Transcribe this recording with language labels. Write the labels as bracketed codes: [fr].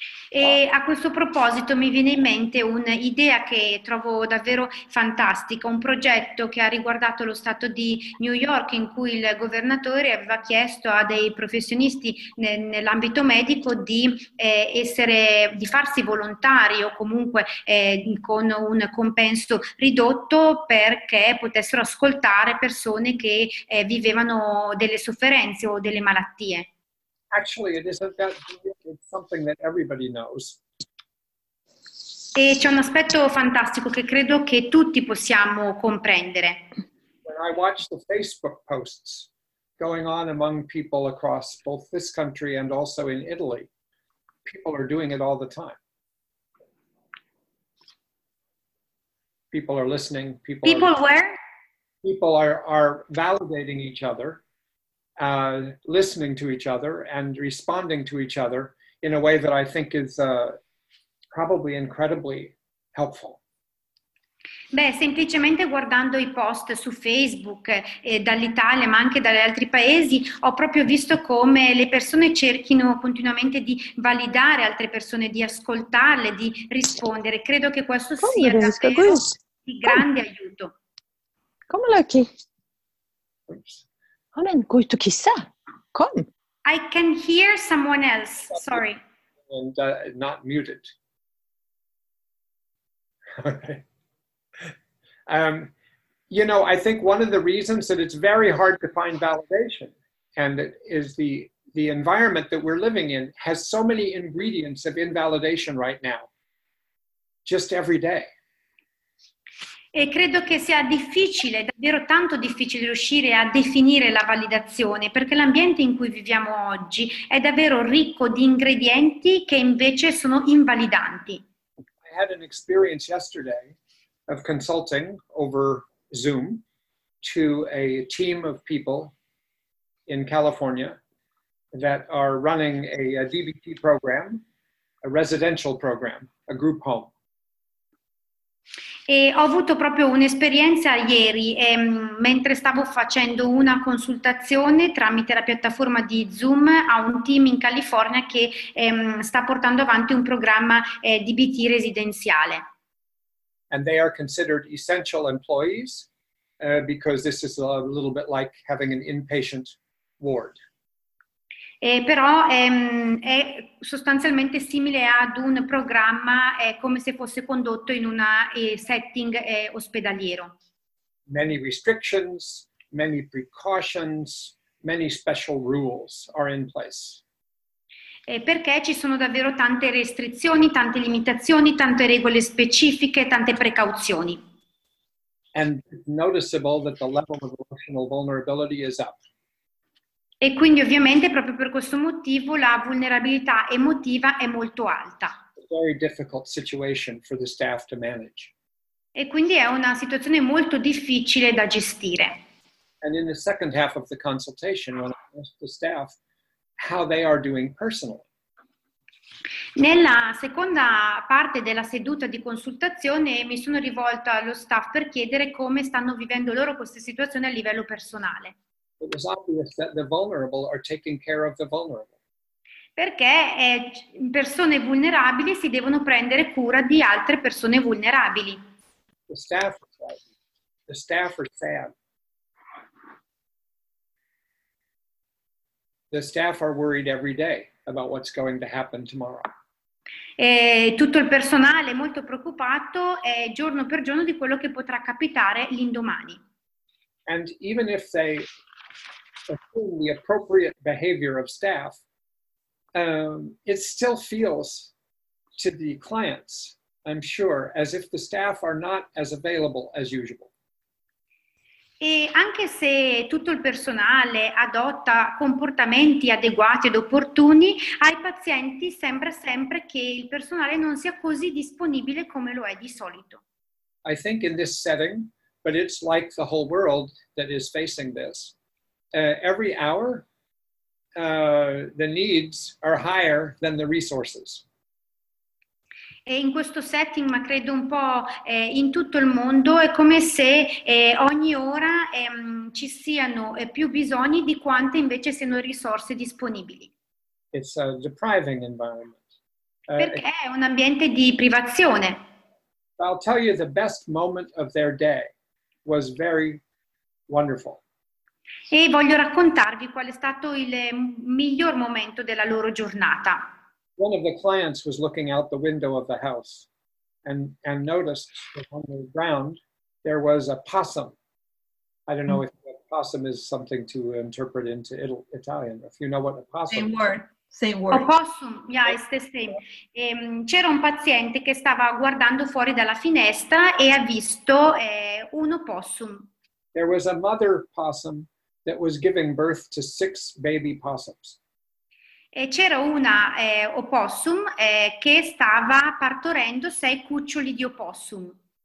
[it] E a questo proposito mi viene in mente un'idea che trovo davvero fantastica, un progetto che ha riguardato lo stato di New York, in cui il governatore aveva chiesto a dei professionisti nell'ambito medico di farsi volontari o comunque con un compenso ridotto, perché potessero ascoltare persone che vivevano delle sofferenze o delle malattie. [en] Actually, it isn't that brilliant. It's something that everybody knows. [it] E c'è un aspetto fantastico che credo che tutti possiamo comprendere. [en] When I watch the Facebook posts going on among people across both this country and also in Italy, people are doing it all the time. People are listening. People are validating each other. Listening to each other and responding to each other in a way that I think is probably incredibly helpful. [it] Beh, semplicemente guardando i post su Facebook dall'Italia ma anche dagli altri paesi, ho proprio visto come le persone cerchino continuamente di validare altre persone, di ascoltarle, di rispondere. Credo che questo come sia davvero di grande aiuto. Come la chi? [en] I'm going to kiss her. Come. I can hear someone else. Sorry. And not muted. Okay. You know, I think one of the reasons that it's very hard to find validation, and it is the environment that we're living in, has so many ingredients of invalidation right now. Just every day. [it] E credo che sia difficile, davvero tanto difficile, riuscire a definire la validazione, perché l'ambiente in cui viviamo oggi è davvero ricco di ingredienti che invece sono invalidanti. [en] I had an experience yesterday of consulting over Zoom to a team of people in California that are running a DBT program, a residential program, a group home. [it] E ho avuto proprio un'esperienza ieri, mentre stavo facendo una consultazione tramite la piattaforma di Zoom a un team in California che sta portando avanti un programma DBT residenziale. [en] And they are considered essential employees because this is a little bit like having an inpatient ward. [it] Però è sostanzialmente simile ad un programma, è come se fosse condotto in una setting ospedaliero. [en] Many restrictions, many precautions, many special rules are in place. [it] Perché ci sono davvero tante restrizioni, tante limitazioni, tante regole specifiche, tante precauzioni. [en] And it's noticeable that the level of emotional vulnerability is up. [it] E quindi ovviamente proprio per questo motivo la vulnerabilità emotiva è molto alta. [en] Very difficult situation for the staff to manage. [it] E quindi è una situazione molto difficile da gestire. [en] And in the second half of the consultation, when I asked the staff how they are doing personally. [it] Nella seconda parte della seduta di consultazione mi sono rivolta allo staff per chiedere come stanno vivendo loro questa situazione a livello personale. [en] It was obvious that the vulnerable are taking care of the vulnerable. [it] Perché persone vulnerabili si devono prendere cura di altre persone vulnerabili. [en] The staff are sad. The staff are worried every day about what's going to happen tomorrow. [it] E tutto il personale è molto preoccupato giorno per giorno di quello che potrà capitare l'indomani. [en] And even if they assume the appropriate behavior of staff, it still feels to the clients, I'm sure, as if the staff are not as available as usual. [it] E anche se tutto il personale adotta comportamenti adeguati ed opportuni, ai pazienti sembra sempre che il personale non sia così disponibile come lo è di solito. [en] I think in this setting, but it's like the whole world that is facing this, every hour, the needs are higher than the resources. [it] E in questo setting, ma credo un po' in tutto il mondo, è come se ogni ora ci siano più bisogni di quante invece siano risorse disponibili. [en] It's a depriving environment. [it] Perché è un ambiente di privazione. [en] I'll tell you the best moment of their day was very wonderful. [it] E voglio raccontarvi qual è stato il miglior momento della loro giornata. [en] One of the clients was looking out the window of the house and noticed that on the ground there was a possum. I don't know if a possum is something to interpret into Italian, if you know what a possum is. Same word. Opossum, yeah, it's the same. [it] C'era un paziente che stava guardando fuori dalla finestra e ha visto un opossum. [en] There was a mother possum that was giving birth to 6 baby possums. [it] E c'era una opossum che stava partorendo 6 cuccioli di opossum.